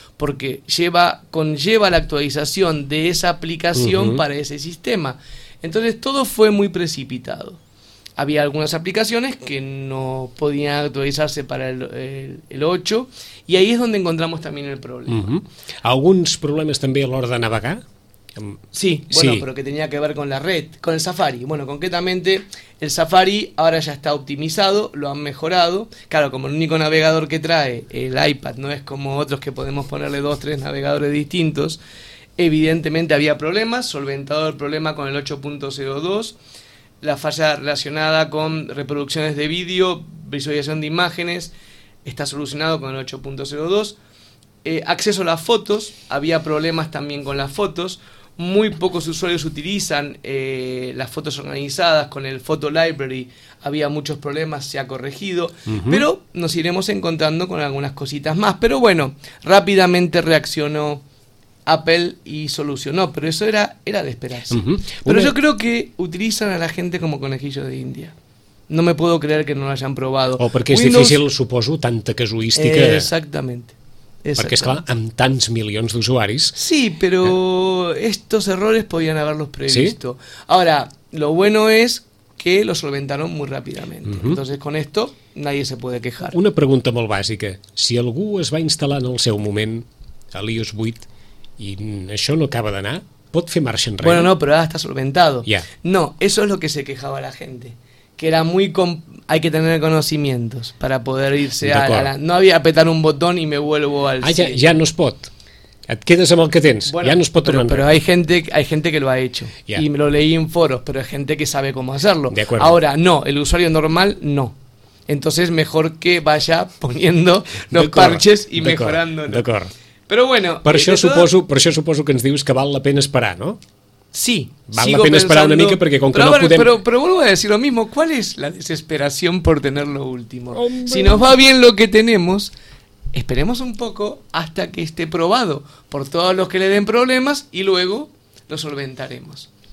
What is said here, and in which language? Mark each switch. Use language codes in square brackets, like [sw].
[es] Porque conlleva la actualización de esa aplicación para ese sistema. Entonces todo fue muy precipitado. Había algunas aplicaciones que no podían actualizarse para el 8 y ahí es donde encontramos también el problema. Uh-huh. [ca] ¿Alguns problemes també a l'hora de navegar? [es] Sí, pero que tenía que ver con la red, con el Safari. Bueno, concretamente el Safari ahora ya está optimizado, lo han mejorado. Claro, como el único navegador que trae el iPad, no es como otros que podemos ponerle 2 o 3 navegadores distintos. Evidentemente había problemas, solventado el problema con el 8.02. La falla relacionada con reproducciones de vídeo, visualización de imágenes, está solucionado con el 8.02. Acceso a las fotos, había problemas también con las fotos. muy pocos usuarios utilizan las fotos organizadas con el Photo Library. Había muchos problemas, se ha corregido, pero nos iremos encontrando con algunas cositas más. Pero bueno, rápidamente reaccionó Apple y solucionó, pero eso era de esperarse. Pero yo creo que utilizan a la gente como conejillos de India. No me puedo creer que no lo hayan probado. [ca] O perquè és difícil, suposo, tanta casuística. [es] Exactamente. [ca] Perquè, esclar, amb tants milions d'usuaris... [es] Sí, però estos errores podían haberlos previsto. ¿Sí? Ahora, lo bueno es que lo solventaron muy rápidamente. Entonces, con esto, nadie se puede quejar. [ca] Una pregunta molt bàsica. Si algú es va instal·lar en el seu moment a iOS 8 i això no acaba d'anar, pot fer marxa enrere? Bueno, no, però ara està solventado. Yeah. [es] No, eso es lo que se quejaba la gente. Que era muy... Hay que tener conocimientos para poder irse a... la... No había apretar un botón y me vuelvo al... [ca] Ah, ya no es pot. Et quedes amb el que tens. Bueno, ya no es pot tornar. [es] Pero hay gente que lo ha hecho. Yeah. Y me lo leí en foros, pero hay gente que sabe cómo hacerlo. De acuerdo. Ahora, no. El usuario normal, no. Entonces, mejor que vaya poniendo los parches y mejorándolo. [ca] D'acord. [es] Pero bueno... [ca] Per això suposo que ens dius que val la pena esperar, no? [es] Sí, vale la pena esperar [ca] una mica [es] porque con que no podemos. Pero vuelvo a decir lo mismo. ¿Cuál es la desesperación por tener lo último? Hombre. Si nos va bien lo que tenemos, esperemos un poco hasta que esté probado por todos los que le den problemas y luego lo solventaremos.